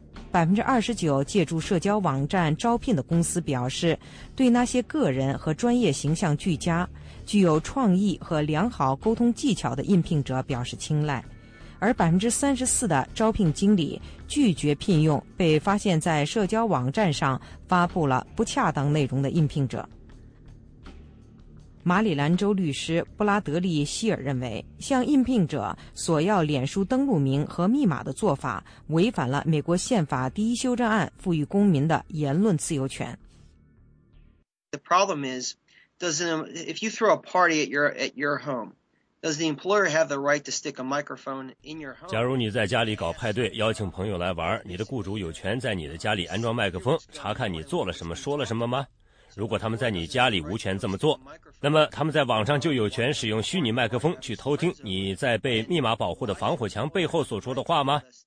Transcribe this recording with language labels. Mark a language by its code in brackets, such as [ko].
[zh] ，29%借助社交网站招聘的公司表示对那些个人和专业形象俱佳、具有创意和良好沟通技巧的应聘者表示青睐，而34%的招聘经理拒绝聘用被发现在社交网站上发布了不恰当内容的应聘者。马里兰州律师布拉德利希尔认为，向应聘者索要脸书登录名和密码的做法违反了美国宪法第一修正案赋予公民的言论自由权。 [en] The problem is, doesn't if you throw a party at your home, does the employer have the right to stick a microphone in your home? [zh] 假如你在家里搞派对，邀请朋友来玩，你的雇主有权在你的家里安装麦克风，查看你做了什么，说了什么吗？如果他们在你家里无权这么做，那么他们在网上就有权使用虚拟麦克风去偷听你在被密码保护的防火墙背后所说的话吗？